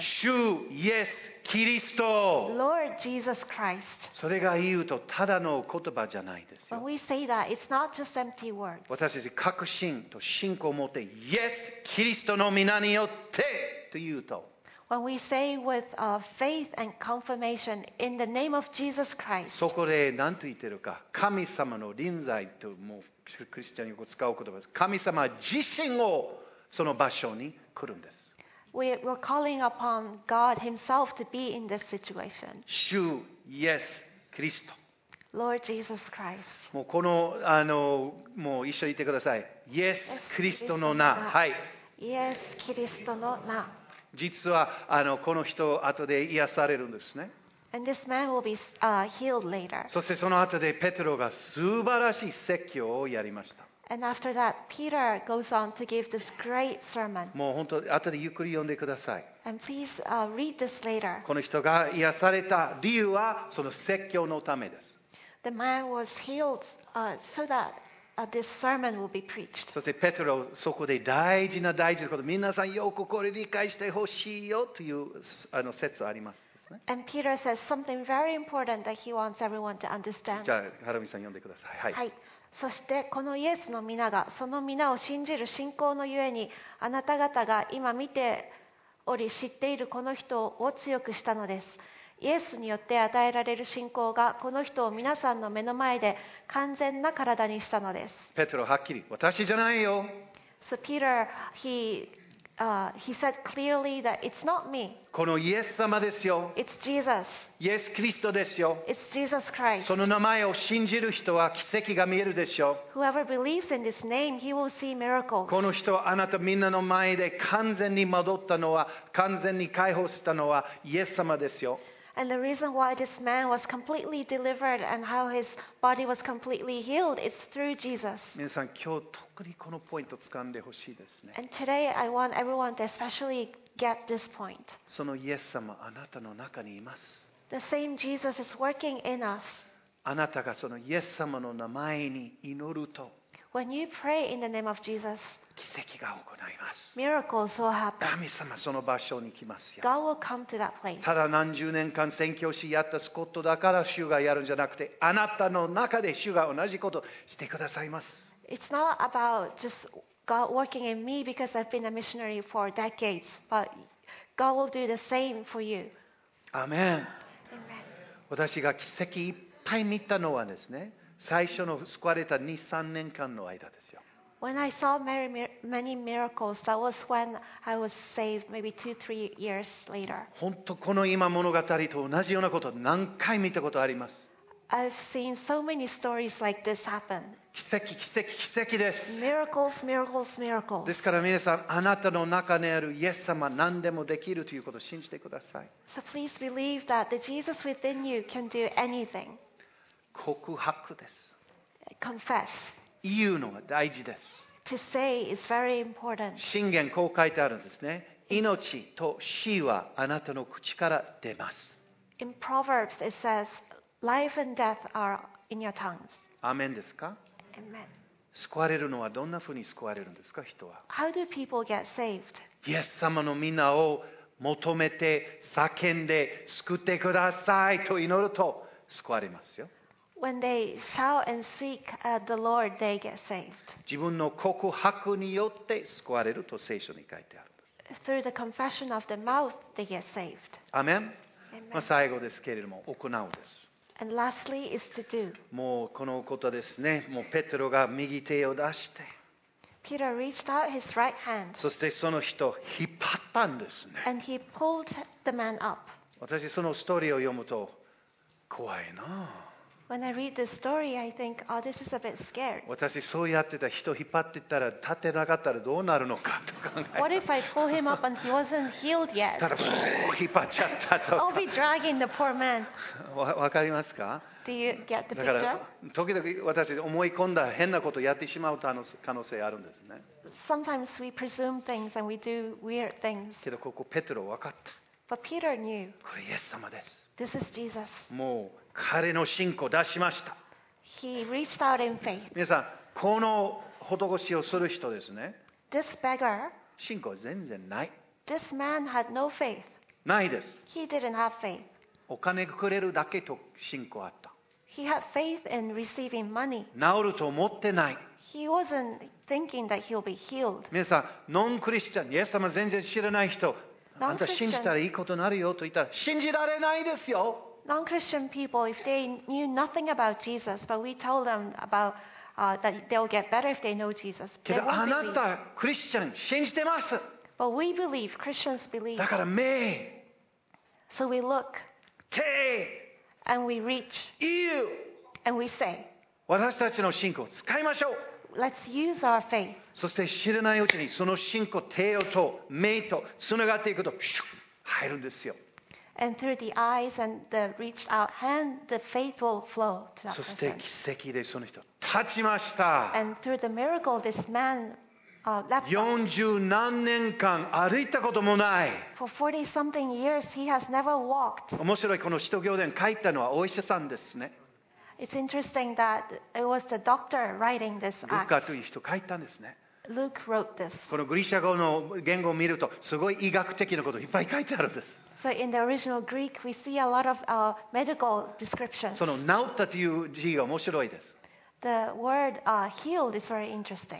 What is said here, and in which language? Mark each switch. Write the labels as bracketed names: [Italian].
[Japanese] 主イエス・キリスト。 [English] Lord Jesus Christ. [Japanese] それが言うとただの言葉じゃないですよ。 [English] When we say that, it's not just empty words. [Japanese] 私たち確信と信仰を持って、イエス・キリストの名によってと言うと。 [English] When we say with faith and confirmation in the name of Jesus Christ. [Japanese] そこで何と言ってるか、神様の臨在ともうクリスチャンによく使う言葉です。神様自身をその場所に来るんです。 [English] We were calling upon God Himself to be in this situation. [Japanese] 主イエス・キリスト。 [English] Lord Jesus Christ. [Japanese] もうこの、もう一緒に言ってください。イエス・キリストの名。はい。イエス・キリストの名。実はこの人後で癒されるんですね。 [English] And this man will be healed later. [Japanese] そしてその後でペテロが素晴らしい説教をやりました。 [English] And after that, Peter goes on to give this great sermon. [Japanese] もう本当後でゆっくり読んでください。 [English] And please read this later. [Japanese] この人が癒された理由はその説教のためです。 [English] The man was healed so that this sermon will be preached. [Japanese] そしてペテロそこで大事な大事なこと、皆さんよくこれ理解してほしいよという説あります。 [English] And Peter says something very important that he wants everyone to understand. [Japanese] じゃあ、ハルミさん読んでください。はい。はい。そしてこのイエスの皆がその皆を信じる信仰のゆえに、あなた方が今見ており知っているこの人を強くしたのです。イエスによって与えられる信仰がこの人を皆さんの目の前で完全な体にしたのです。ペテロはっきり、私じゃないよ。 [English] So Peter, he said clearly that it's not me. [Japanese] このイエス様ですよ。 [English] It's Jesus. [Japanese] イエスキリストですよ。 [English] It's Jesus Christ. [Japanese] その名前を信じる人は奇跡が見えるでしょう。 [English] Whoever believes in this name, he will see miracles. [Japanese] この人はあなたみんなの前で完全に戻ったのは、完全に解放したのはイエス様ですよ。 [English] And the reason why this man was completely delivered and how his body was completely healed is through Jesus. [Japanese] 皆さん、今日特にこのポイントを掴んでほしいですね。 [English] And today I want everyone to especially get this point. [Japanese] そのイエス様、あなたの中にいます。 [English] The same Jesus is working in us. [Japanese] あなたがそのイエス様の名前に祈ると、 [English] When you pray in the name of Jesus, [Japanese] 奇跡が行います。 [English] Miracles will happen. [Japanese] 神様その場所に来ますよ。 [English] God will come to that place. [Japanese] ただ何十年間宣教師やったスコットだから主がやるんじゃなくて、あなたの中で主が同じことをしてくださいます。 [English] It's not about just God working in me because I've been a missionary for decades, but God will do the same for you. Amen. Amen. [Japanese] 私が奇跡いっぱい見たのはですね、最初の救われた 2,3 年間の間ですよ。 [English] When I saw many miracles, that was when I was saved, maybe 2-3 years later. [Japanese] 本当この今物語と同じようなこと何回見たことあります。 [English] I've seen so many stories like this happen. [Japanese] 奇跡、奇跡、奇跡です。 [English] Miracles, miracles, miracles. [Japanese] ですから皆さん、あなたの中にあるイエス様、何でもできるということを信じてください。 [English] So please believe that the Jesus within you can do anything. [Japanese] 告白です。 [English] Confess. [Japanese] 言うのが大事です。 [English] To say is very important. [Japanese] 箴言こう書いてあるんですね。命と死はあなたの口から出ます。 [English] In Proverbs it says, life and death are in your tongues. [Japanese] アメンですか？ [English] Amen. [Japanese] 救われるのはどんなふうに救われるんですか、人は？ [English] How do people get saved? [Japanese] イエス様の皆を求めて叫んで救ってくださいと祈ると救われますよ。 [English] When they shout and seek the Lord, they get saved. [Japanese] 自分の告白によって救われると聖書に書いてある。 [English] Through the confession of the mouth, they get saved. [Japanese] アメン。まあ、最後ですけれども、行うです。 [English] And lastly is to do. [Japanese] もうこのことですね。もうペテロが右手を出して。 [English] Peter reached out his right hand. [Japanese] そしてその人を引っ張ったんですね。 [English] And he pulled the man up. [Japanese] 私そのストーリーを読むと怖いな。 [English] When I read this story, I think, oh, this is a bit scared. [Japanese] 私そうやってた人引っ張ってったら立てなかったらどうなるのかと考えた。 [English] What if I pull him up and he wasn't healed yet? [Japanese] ただ引っ張っちゃったとか。 [English] I'll be dragging the poor man. [Japanese] わかりますか？ [English] Do you get the picture? [Japanese] だから時々私思い込んだ変なことをやってしまう可能性あるんですね。 [English] Sometimes we presume things and we do weird things. [Japanese] けどここペテロわかった。 [English] But Peter knew. [Japanese] これイエス様です。 [English] This is Jesus. [Japanese] もう彼の信仰を出しました。 [English] He reached out in faith. [Japanese] 皆さん、この施しをする人ですね。 [English] This beggar, [Japanese] 信仰全然ない。 [English] This man had no faith. [Japanese] ないです。 [English] He didn't have faith. [Japanese] お金くれるだけと信仰あった。 [English] He had faith in receiving money. [Japanese] 治ると思ってない。 [English] He wasn't thinking that he'll be healed. [Japanese] 皆さん、ノンクリスチャン、イエス様全然知らない人、あんた信じたらいいことになるよと言ったら信じられないですよ。 [English] Non-Christian people, if they knew nothing about Jesus, but we told them about that they'll get better if they know Jesus. [Japanese] けどあなたクリスチャン信じてます。 [English] But we believe, Christians believe. [Japanese] だから目。 [English] So we look. [Japanese] 手。 [English] And we reach. [Japanese] 言う。 [English] And we say. [Japanese] 私たちの信仰使いましょう。 [English] Let's use our faith. [Japanese] そして知らないうちにその信仰手と目とつながっていくと、シュッ入るんですよ。 [English] And through the eyes and the reached out hand, the faith will flow to that person. [Japanese] そして奇跡でその人立ちました。 [English] And through the miracle, this man left. [Japanese] 40何年間歩いたこともない。 [English] For 40 something years, he has never walked. [Japanese] 面白いこの使徒行伝書いたのはお医者さんですね。 [English] It's interesting that it was the doctor writing this act. [Japanese] ルカという人書いたんですね。 [English] Luke wrote this. [Japanese] このグリシャ語の言語を見るとすごい医学的なこといっぱい書いてあるんです。 [English] So in the original Greek, we see a lot of medical descriptions. [Japanese] その治ったという字が面白いです。 [English] The word healed is very interesting.